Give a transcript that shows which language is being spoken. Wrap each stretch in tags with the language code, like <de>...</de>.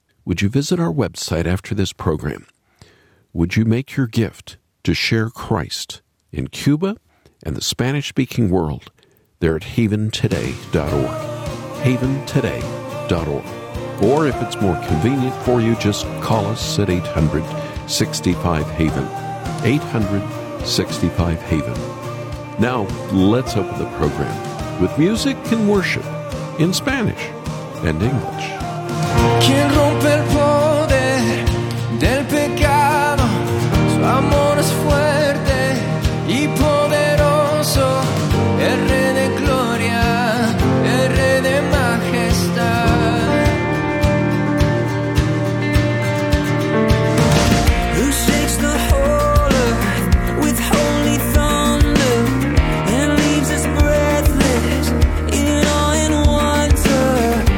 <en>Would you visit our website after this program? Would you make your gift to share Christ in Cuba and the Spanish-speaking world there at haventoday.org, haventoday.org. Or if it's more convenient for you, just call us at 800-65-HAVEN, 800-65-HAVEN. Now, let's open the program with music and worship in Spanish and English.</en> <es>¿Quién rompe el poder del pecado? Su amor es fuerte y poderoso. El rey de gloria, el rey de majestad.</es> <en>Who shakes the whole earth with holy thunder and leaves us breathless in awe and wonder?</en>